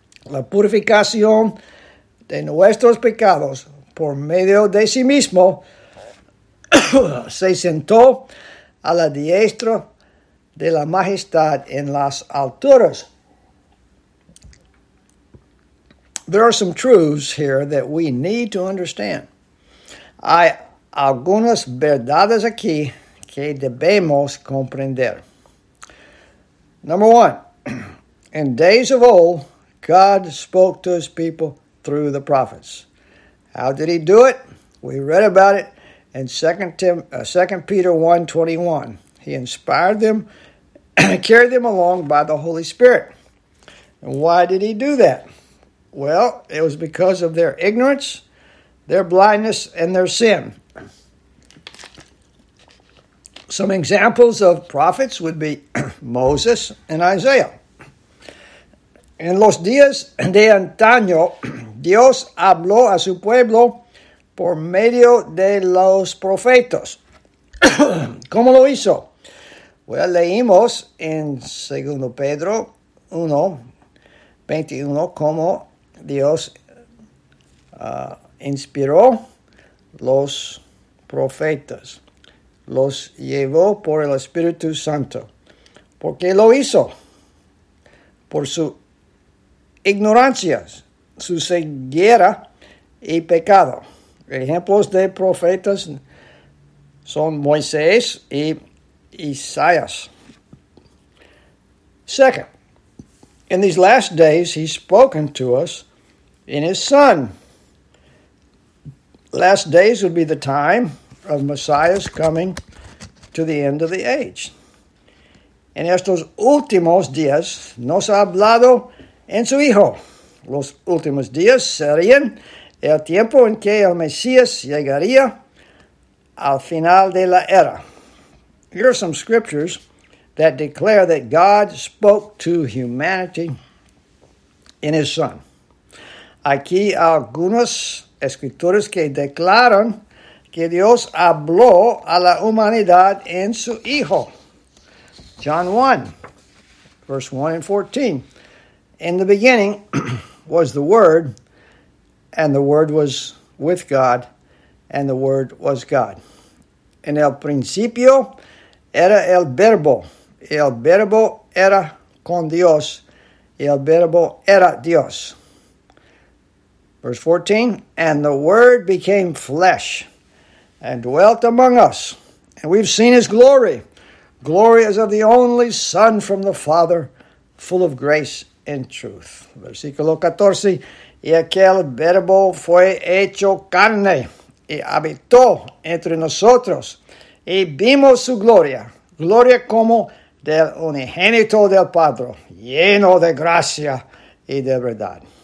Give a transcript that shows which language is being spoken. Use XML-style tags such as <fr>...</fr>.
<es>la purificación de nuestros pecados por medio de sí mismo, se sentó a la diestra de la majestad en las alturas.</es> <en>There are some truths here that we need to understand.</en> <es>Hay algunas verdades aquí que debemos comprender.</es> <en>Number one, in days of old, God spoke to his people through the prophets. How did he do it? We read about it in 2 Peter 1:21. He inspired them, carried them along by the Holy Spirit. And why did he do that? Well, it was because of their ignorance, their blindness, and their sin. Some examples of prophets would be Moses and Isaiah.</en> <es>En los días de antaño, Dios habló a su pueblo por medio de los profetas. ¿Cómo lo hizo? Bueno,</es> <en>well,</en> <es>leímos en 2 Pedro 1:21 cómo Dios inspiró los profetas. Los llevó por el Espíritu Santo. ¿Por qué lo hizo? Por su ignorancia, su ceguera y pecado. Ejemplos de profetas son Moisés y Isaías.</es> <en>Second, in these last days, he's spoken to us in his Son. Last days would be the time of Messiah's coming to the end of the age.</en> <es>En estos últimos días, nos ha hablado en su Hijo. Los últimos días serían el tiempo en que el Mesías llegaría al final de la era.</es> <en>Here are some scriptures that declare that God spoke to humanity in his Son.</en> <es>Aquí algunas escrituras que declaran que Dios habló a la humanidad en su Hijo.</es> <en>John 1:14. In the beginning was the Word, and the Word was with God, and the Word was God.</en> <es>En el principio era el Verbo, y el Verbo era con Dios, y el Verbo era Dios.</es> <en>Verse 14, and the Word became flesh, and dwelt among us, and we've seen his glory. Glory as of the only Son from the Father, full of grace and truth.</en> <es>Versículo 14, y aquel Verbo fue hecho carne, y habitó entre nosotros, y vimos su gloria, gloria como del unigénito del Padre, lleno de gracia y de verdad.</es>